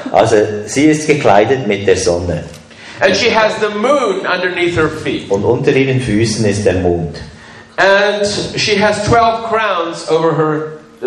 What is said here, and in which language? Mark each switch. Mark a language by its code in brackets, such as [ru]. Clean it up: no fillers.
[de] Also, sie ist gekleidet mit der Sonne. [en] And she has the moon underneath her feet. [de] Und unter ihren Füßen ist der Mond. [en] And she has 12 crowns over her.